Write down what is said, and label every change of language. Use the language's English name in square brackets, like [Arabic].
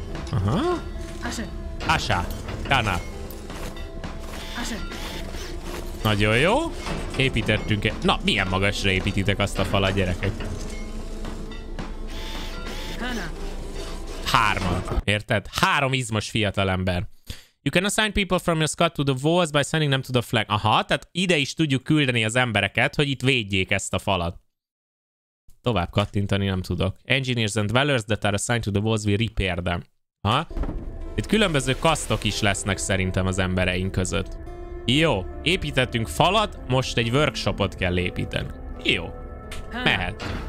[Hungarian] Aha. Asha. Kana. Nagyon jó. Építettünk egy... Na, milyen magasra építitek azt a falat, gyerekek? Hárman. Érted? Három izmos fiatalember. [English] You can assign people from your squad to the walls by sending them to the flag. [Hungarian] Aha, tehát ide is tudjuk küldeni az embereket, hogy itt védjék ezt a falat. Tovább kattintani nem tudok. [English] Engineers and dwellers that are assigned to the walls will repair them. [Hungarian] Aha. Itt különböző kasztok is lesznek szerintem az embereink között. Jó. Építettünk falat, most egy workshopot kell építeni. Jó. Mehet.